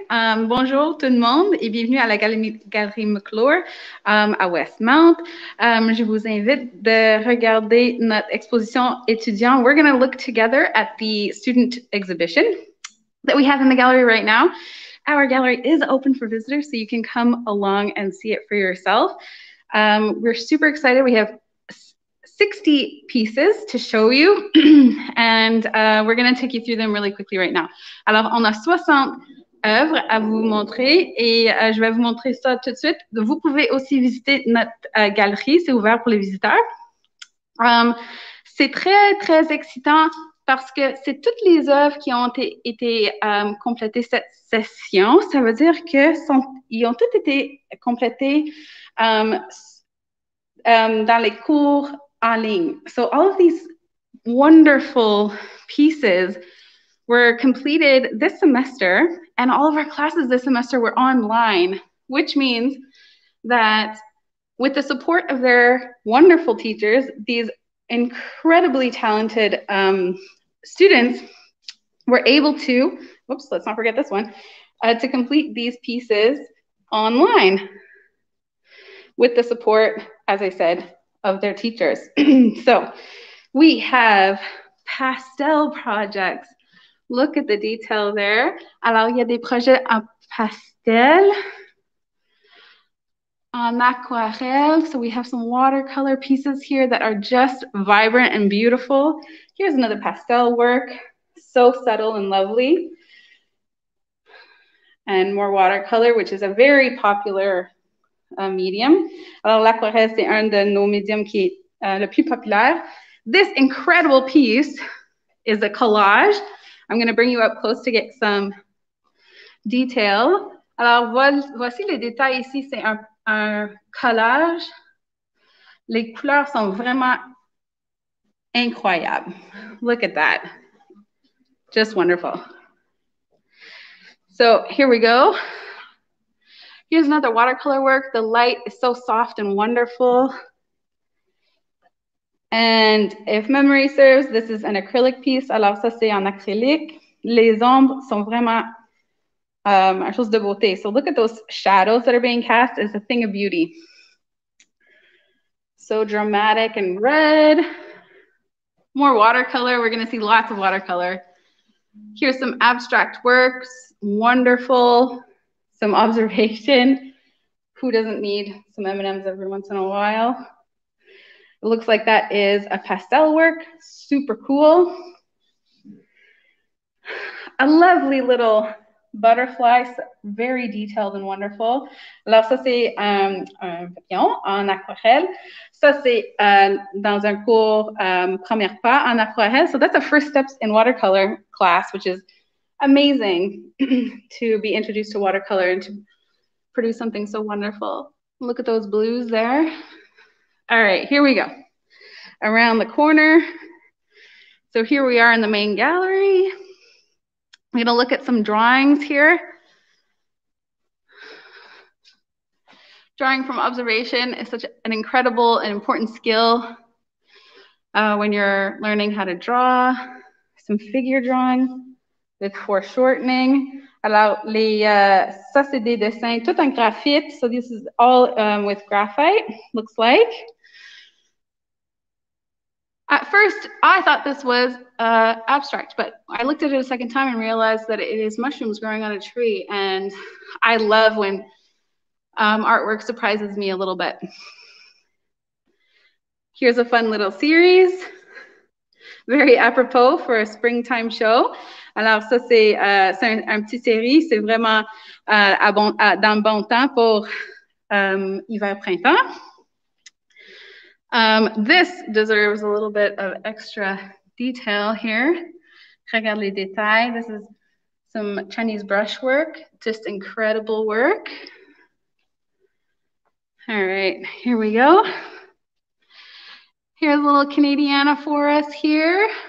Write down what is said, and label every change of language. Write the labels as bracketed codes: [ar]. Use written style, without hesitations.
[fr] Bonjour tout le monde et bienvenue à la galerie McClure à Westmount. Je vous invite de regarder notre exposition étudiant. [en] We're going to look together at the student exhibition that we have in the gallery right now. Our gallery is open for visitors, so you can come along and see it for yourself. We're super excited. We have 60 pieces to show you, and we're going to take you through them really quickly right now. [fr] Alors, on a 60 œuvres à vous montrer, et je vais vous montrer ça tout de suite. Vous pouvez aussi visiter notre galerie, c'est ouvert pour les visiteurs. C'est très, très excitant parce que c'est toutes les œuvres qui ont été complétées cette session. Ça veut dire qu'ils ont toutes été complétées dans les cours. [en] So all of these wonderful pieces were completed this semester, and all of our classes this semester were online, which means that with the support of their wonderful teachers, these incredibly talented students were able to, whoops, let's not forget this one, to complete these pieces online with the support, as I said, of their teachers. So we have pastel projects. Look at the detail there. [fr] Alors, il y a des projets en pastel, en aquarelle. [en] So we have some watercolor pieces here that are just vibrant and beautiful. Here's another pastel work. So subtle and lovely. And more watercolor, which is a very popular medium. [fr] Alors, l'aquarelle, c'est un de nos médiums qui est le plus populaire. [en] This incredible piece is a collage. I'm going to bring you up close to get some detail. [fr] Alors, voici les détails ici. C'est un collage. Les couleurs sont vraiment incroyables. [en] Look at that. Just wonderful. So, here we go. Here's another watercolor work. The light is so soft and wonderful. And if memory serves, this is an acrylic piece. [fr] Alors ça, c'est en acrylique. Les ombres sont vraiment un chose de beauté. [en] So look at those shadows that are being cast. It's a thing of beauty. So dramatic and red. More watercolor. We're gonna see lots of watercolor. Here's some abstract works. Wonderful. Some observation. Who doesn't need some M&Ms every once in a while? It looks like that is a pastel work. Super cool. A lovely little butterfly. Very detailed and wonderful. [fr] Alors, ça, c'est un papillon en aquarelle. Ça, c'est dans un cours premier pas en aquarelle. [en] So that's a first steps in watercolor class, which is amazing to be introduced to watercolor and to produce something so wonderful. Look at those blues there. All right, here we go. Around the corner. So here we are in the main gallery. We're going to look at some drawings here. Drawing from observation is such an incredible and important skill when you're learning how to draw. Some figure drawing. With foreshortening. [fr] Alors, ça, c'est des dessins, tout en graphite. [en] So this is all with graphite, looks like. At first, I thought this was abstract, but I looked at it a second time and realized that it is mushrooms growing on a tree. And I love when artwork surprises me a little bit. Here's a fun little series. Very apropos for a springtime show. [fr] Alors ça, c'est un petit série. C'est vraiment dans le bon temps pour hiver-printemps. [en] This deserves a little bit of extra detail here. [fr] Regarde les détails. [en] This is some Chinese brushwork. Just incredible work. All right, here we go. Here's a little Canadiana for us here.